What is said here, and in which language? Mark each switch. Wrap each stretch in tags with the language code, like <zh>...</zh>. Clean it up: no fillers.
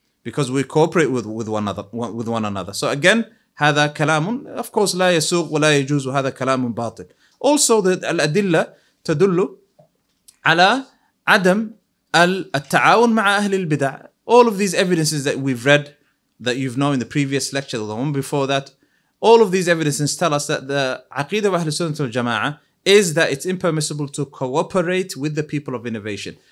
<en>Because we cooperate with one another. So again,</en> <ar>هذا كلام,</ar> <en>of course,</en> <ar>لا يسوق ولا يجوز وهذا كلام باطل.</ar> <en>Also, the</en> <ar>الأدلة تدل على عدم التعاون مع أهل البدع.</ar> <en>All of these evidences that we've read, that you've known in the previous lecture, the one before that, all of these evidences tell us that the Aqidah of Ahl al-Sunnah al-Jama'ah is that it's impermissible to cooperate with the people of innovation.</en>